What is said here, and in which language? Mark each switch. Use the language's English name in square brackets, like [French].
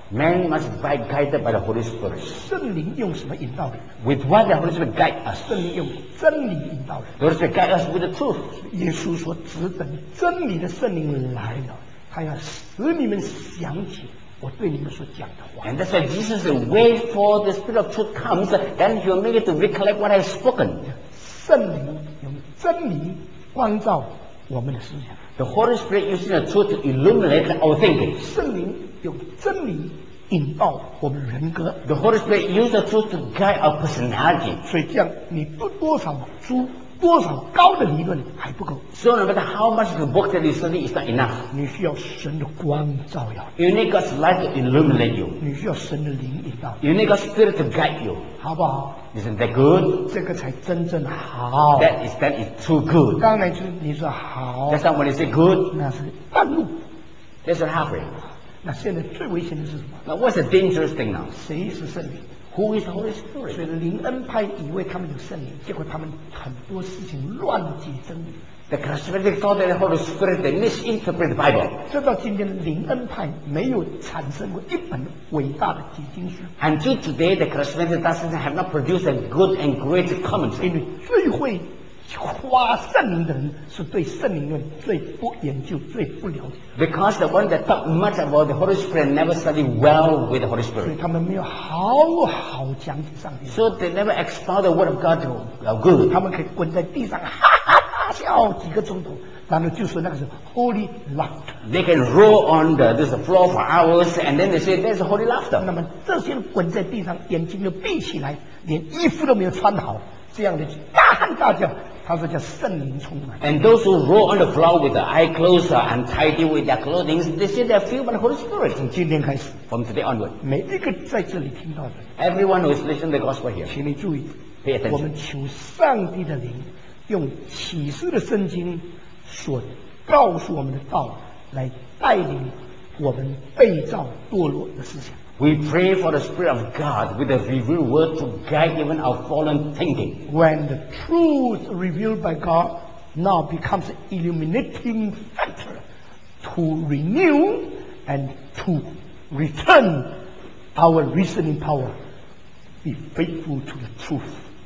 [English] Man must be guided by the Holy Spirit. [Chinese] 圣灵用什么引导人？ [English] With what the Holy Spirit guide us? [Chinese] 圣灵用真理引导人。 [English] The Holy Spirit guide us with the truth. [Chinese] 耶稣说，只等真理的圣灵来了，他要使你们想起我对你们所讲的话。 [English] And that's why Jesus said, wait for the Spirit of truth comes, then he will make it to recollect what I have spoken. [Chinese] 圣灵用真理光照我们的思想。 [English] The Holy Spirit using the truth to illuminate our thinking. [Chinese] 圣灵用真理引导我们人格。 [English] The Holy Spirit uses the truth to guide our personality. [Chinese] 所以这样，你读多少书，多少高的理论还不够。 [English] So no matter how much the book that you study is not enough. [Chinese] 你需要神的光照耀。 [English] You need God's light to illuminate you. [Chinese] 你需要神的灵引导。 [English] You need God's Spirit to guide you. [Chinese] 好不好？ [English] Isn't that good? [Chinese] 这个才真正好。 [English] That is too good. [Chinese] 刚才就你说好。 [English] That's not when you say good. [Chinese] 那是半路。 [English] That's not halfway. [Chinese] 那现在最危险的是什么？ [English] Now what's the dangerous thing now? [Chinese] 谁是圣灵？ [English] Who is the Holy Spirit? [Chinese] 所以灵恩派以为他们有圣灵，结果他们很多事情乱解真理。 [English] The charismatic thought that the Holy Spirit they misinterpret the Bible. [Chinese] 直到今天，灵恩派没有产生过一本伟大的解经书。 [English] Until today, the charismatic doctrine have not produced a good and great commentary. [Chinese] 因为最会夸圣灵的人是对圣灵论最不研究、最不了解。 [English] Because the one that talk much about the Holy Spirit never study well with the Holy Spirit. [Chinese] 所以他们没有好好讲解上帝。 [English] So they never expound the Word of God to good. [Chinese] 他们可以滚在地上，哈哈。笑几个钟头，然后就说那个是 holy laughter. [English] They can roll on this floor for hours, and then they say that's holy laughter. [Chinese] 那么这些滚在地上，眼睛都闭起来，连衣服都没有穿好，这样的大喊大叫，他说叫圣灵充满。 [English] And those who roll on the floor with the eye closed, untidy with their clothing, they say they're filled by the Holy Spirit. [Chinese] 从今天开始 [English] ，from today onward， [Chinese] 每一个在这里听到的 [English] ，everyone who is listening to the gospel here， [Chinese] 请你注意 [English] ，pay attention， [Chinese] 我们求上帝的灵。用启示的圣经所告诉我们的道来带领我们被造堕落的思想。 [English] We pray for the Spirit of God with the revealed word to guide even our fallen thinking. When the truth revealed by God now becomes an illuminating factor to renew and to return our reasoning power, be faithful to the truth.